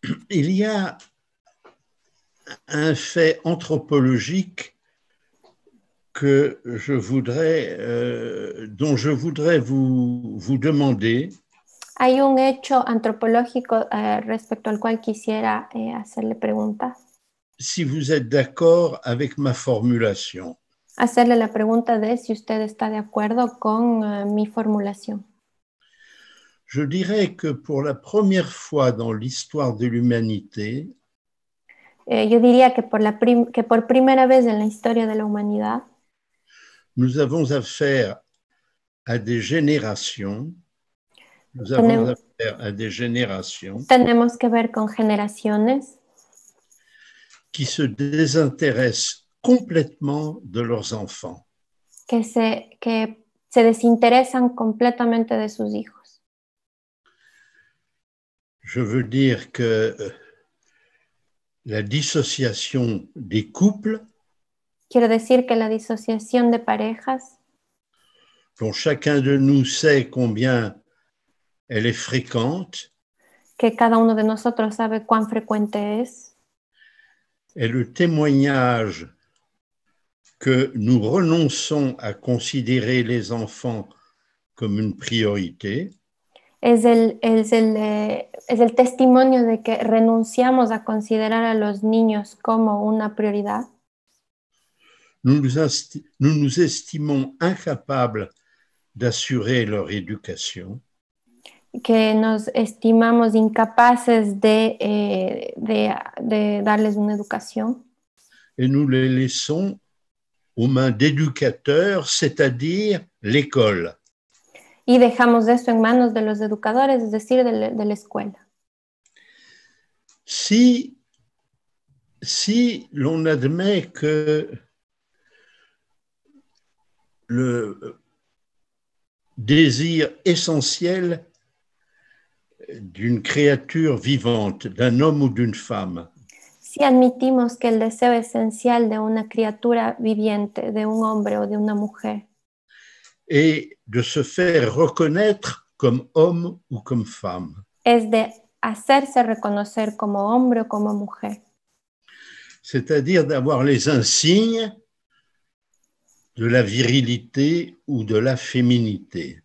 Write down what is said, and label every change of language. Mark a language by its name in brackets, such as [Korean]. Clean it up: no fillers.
[French] Il y a un fait anthropologique que je voudrais, dont je voudrais vous demander. [Spanish] Hay un hecho antropológico respecto al cual quisiera hacerle pregunta. [French] Si vous êtes d'accord avec ma formulation. [Spanish] Hacerle la pregunta de si usted está de acuerdo con mi formulación. [French] Je dirais que pour la première fois dans l'histoire de l'humanité. [Spanish] Yo diría que por primera vez en la historia de la humanidad. [French] Nous avons affaire à des générations. [Spanish] Tenemos que ver con generaciones. [French] Qui se désintéressent complètement de leurs enfants. [Spanish] Que se desinteresan completamente de sus hijos. [French] Je veux dire que la dissociation des couples. [Spanish] Quiero decir que la disociación de parejas. [French] Dont chacun de nous sait combien elle est fréquente. [Spanish] Que cada uno de nosotros sabe cuán frecuente es. [French] Est le témoignage que nous renonçons à considérer les enfants comme une priorité. [Spanish] Es el testimonio de que renunciamos a considerar a los niños como una prioridad. [French] Nous estimons incapables d'assurer leur éducation. [Spanish] Que nos estimamos incapaces de darles una educación. [French] Et nous les laissons aux mains d'éducateurs, c'est-à-dire l'école. [Spanish] Y dejamos esto en manos de los educadores, es decir, de la escuela. [French] Si si l'on admet que le désir essentiel d'une créature vivante, d'un homme ou d'une femme. [Spanish] Si admitimos que el deseo esencial de una criatura viviente, de un hombre o de una mujer. [French] Et de se faire reconnaître comme homme ou comme femme. [Spanish] Es de hacerse reconocer como hombre o como mujer. [French] C'est-à-dire d'avoir les insignes de la virilité ou de la féminité.